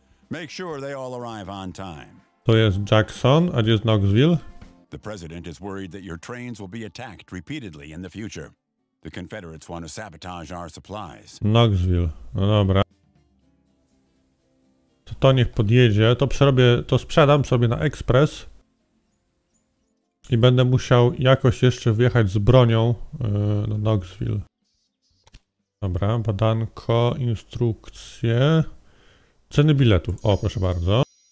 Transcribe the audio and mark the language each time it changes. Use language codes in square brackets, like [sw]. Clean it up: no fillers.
[en] Make sure they all arrive on time. [pl] To jest Jackson, a gdzie jest Knoxville? [en] The president is worried that your trains will be attacked repeatedly in the future. The Confederates want to sabotage our supplies. [pl] Knoxville. No dobra. To niech podjedzie. To przerobię, to sprzedam sobie na ekspres. I będę musiał jakoś jeszcze wjechać z bronią do Knoxville. Dobra, badanko, instrukcje. Ceny biletów. O, proszę bardzo.